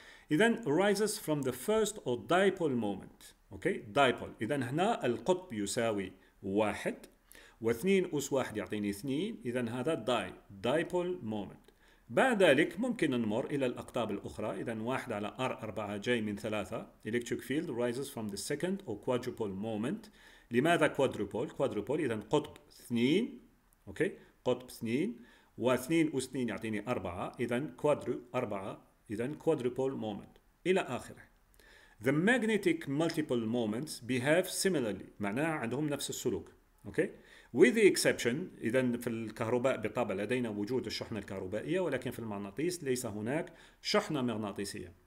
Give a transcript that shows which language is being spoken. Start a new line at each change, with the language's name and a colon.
English: إذن arises from the first or dipole moment. Okay, dipole.
Arabic: إذن هنا القطب يساوي 1 واثنين أس 1 يعطيني 2، إذن هذا dipole moment. بعد ذلك ممكن نمر إلى الأقطاب الأخرى. إذن 1/R4 جاي من 3.
English: electric field arises from the second or quadrupole moment.
Arabic: لماذا quadrupole؟ quadrupole إذن قطب 2. أوكي، قطب 2 واثنين أس 2 يعطيني 4، إذن quadru 4، إذن quadrupole moment إلى آخره.
English: The magnetic multiple moments behave similarly،
Arabic: معناها عندهم نفس السلوك. أوكي،
English: with the exception،
Arabic: إذن في الكهرباء بالطبع لدينا وجود الشحنة الكهربائية، ولكن في المغناطيس ليس هناك شحنة مغناطيسية.